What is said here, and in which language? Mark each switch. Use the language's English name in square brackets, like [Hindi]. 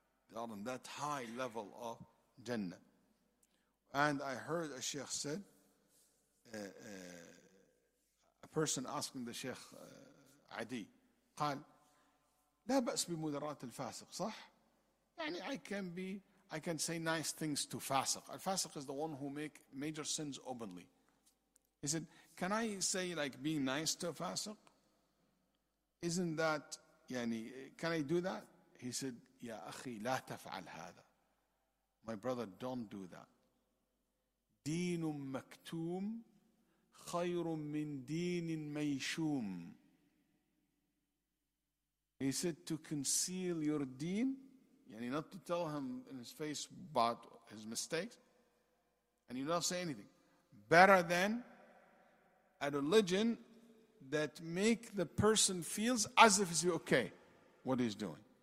[English] They are on that high level of Jannah. And I heard a Sheikh said, a person asking the Sheikh Adi, [Arabic] قال, لا بأس بمدرات الفاسق, صح? [English] يعني I can say nice things to Fasiq. Al-Fasiq is the one who make major sins openly. He said, can I say like being nice to a Fasiq? Isn't that, يعني, can I do that? [Arabic] He said, يا أخي لا تفعل هذا. [English] My brother, don't do that. [Arabic] دين مكتوم خير من دين ميشوم. [English] He said, to conceal your deen, يعني not to tell him in his face about his mistakes, and you don't say anything, better than a religion that make the person feels as if he's okay, what he's doing.